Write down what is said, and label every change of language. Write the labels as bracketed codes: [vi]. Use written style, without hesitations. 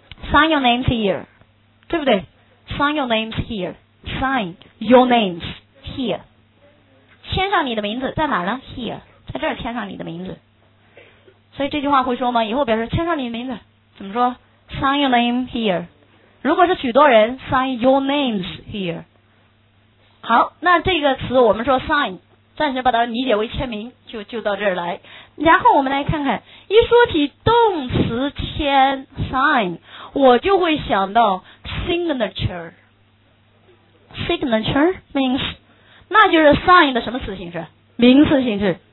[en] sign your names here， [zh] 对不对？ [en] sign your names here， sign your names here， [zh] 签上你的名字在哪呢？ [en] here， [zh] 在这签上你的名字。所以这句话会说吗？以后表示签上你的名字怎么说？ [en] sign your name here。 [zh] 如果是许多人， [en] sign your names here。 [zh] 好，那这个词我们说 sign， 暂时把它理解为签名，就到这儿来。然后我们来看看，一说起动词签 sign， 我就会想到 signature。 [en] signature means， [zh] 那就是 sign 的什么词形式？名词形式。